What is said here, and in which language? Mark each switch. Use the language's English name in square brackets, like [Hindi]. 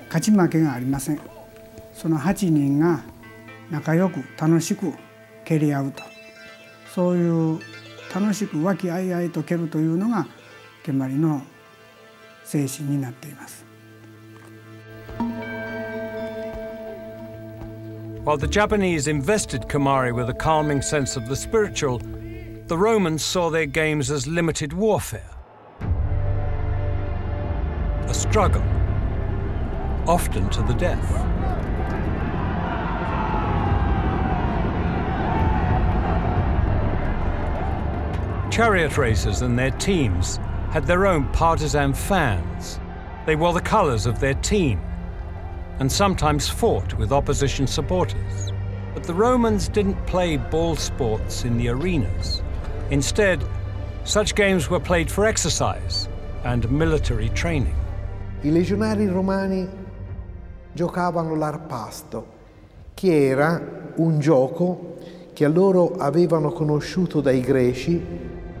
[Japanese] 勝ち負けがありません。その8人が仲良く楽しく蹴り合うと、そういう楽しく和気あいあいと蹴るというのが蹴鞠の精神になっています。 [English] While the Japanese invested Kamari with a calming sense of the spiritual, the Romans saw their games as limited warfare. A struggle, often to the death. Chariot racers and their teams had their own partisan fans, They wore the colors of their team and sometimes fought with opposition supporters. But the Romans didn't play ball sports in the arenas. Instead, such games were played for exercise and military training. [Italian] I legionari romani giocavano l'arpasto, che era un gioco che loro avevano conosciuto dai greci.